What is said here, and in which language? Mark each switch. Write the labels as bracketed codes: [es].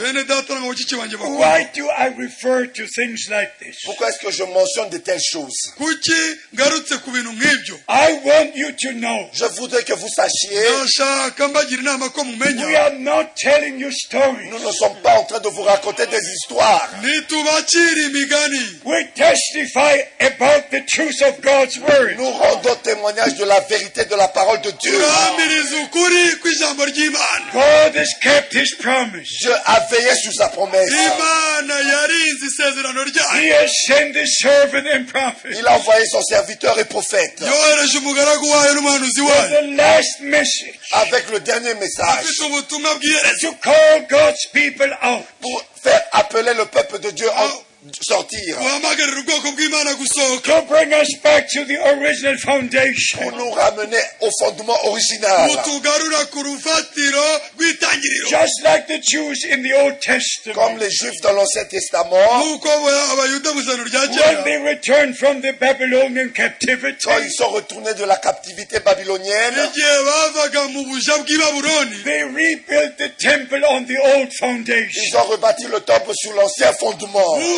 [en] why do I refer to things like this? [fr] Pourquoi est-ce que je mentionne de telles choses? [en] I want you to know. [fr] Je voudrais que vous sachiez. [en] We are not telling you stories. [fr] Nous ne sommes pas en train de vous raconter des histoires. [en] We testify about the truth of God's word. [fr] Nous rendons témoignage de la vérité de la parole de Dieu. [en] God has kept his promise. [fr] Dieu a veillé sur sa promesse. [en] He has sent his servant and prophet. [fr] Il a envoyé son serviteur et prophète. [en] The last message. [fr] Avec le dernier message. [en] To call God's people out. [fr] Pour faire appeler le peuple de Dieu en sortir. [en] To bring us back to the original foundation. [fr] Pour nous ramener au fondement original. [en] Just like the Jews in the Old Testament. [fr] Comme les Juifs dans l'Ancien Testament. [en] When they returned from the Babylonian captivity. [fr] Quand ils sont retournés de la captivité babylonienne. [en] They rebuilt the temple on the old foundation. [fr] Ils ont rebâti le temple sur l'ancien fondement.